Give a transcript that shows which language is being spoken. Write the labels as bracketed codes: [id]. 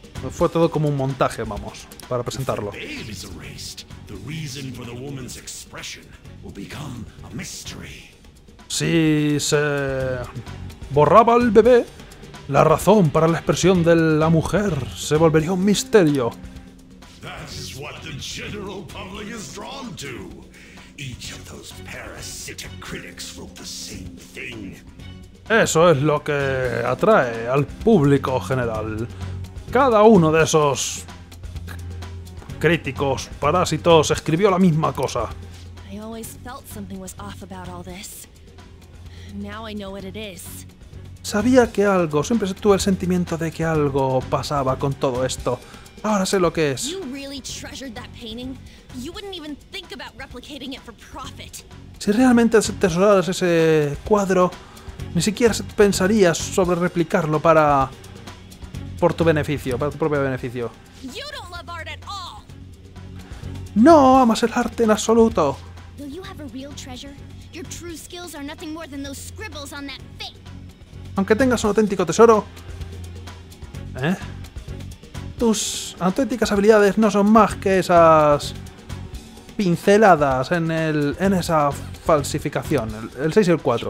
[es] fue todo como un montaje, vamos, para presentarlo. [en] If the babe is erased, the reason for the woman's expression will become a mystery. [es] Si se borraba el bebé, la razón para la expresión de la mujer se volvería un misterio. [en] That is what the general public is drawn to. Each of those parasitic critics wrote the same thing. [es] Eso es lo que atrae al público general. Cada uno de esos críticos parásitos escribió la misma cosa. [en] I always felt something was off about all this. Now I know what it is. [es] Sabía que algo, siempre tuve el sentimiento de que algo pasaba con todo esto. Ahora sé lo que es. [en] You really treasured that painting? You wouldn't even think about replicating it for profit. [es] Si realmente atesoraras ese cuadro, ni siquiera pensarías sobre replicarlo para... por tu beneficio, para tu propio beneficio. [en] You don't love art at all. [es] No amas el arte en absoluto. [en] Do you have a real treasure? Your true skills are nothing more than those scribbles on that fake. [es] Aunque tengas un auténtico tesoro, ¿eh? Tus auténticas habilidades no son más que esas pinceladas en el en esa falsificación, el 6 y el 4.